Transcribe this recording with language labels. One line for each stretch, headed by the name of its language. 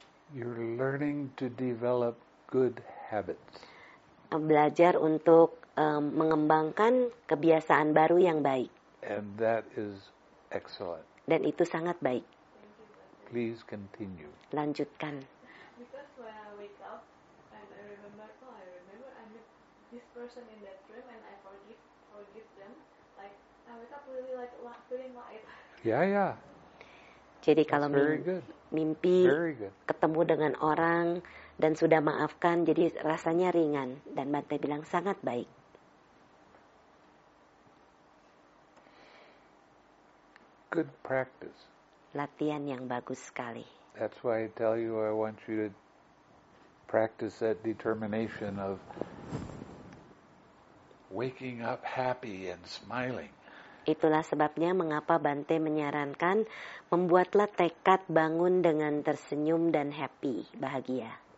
English: You're learning to develop good habits.
Indonesian: Belajar untuk mengembangkan kebiasaan baru yang baik.
English: And that is excellent.
Indonesian: Dan itu sangat baik.
English: Please continue.
Indonesian: Lanjutkan.
English: Because when I wake up and I remember I met this person in that dream and I forgive them. Like I wake up really like feeling light. Yeah, yeah.
Indonesian: Jadi kalau mimpi ketemu dengan orang dan sudah maafkan, jadi rasanya ringan. Dan Bante bilang sangat baik.
English: Good practice.
Indonesian: Latihan yang bagus sekali.
English: That's why I tell you I want you to practice that determination of waking up happy and smiling.
Indonesian: Itulah sebabnya mengapa Bante menyarankan membuatlah tekad bangun dengan tersenyum dan happy, bahagia.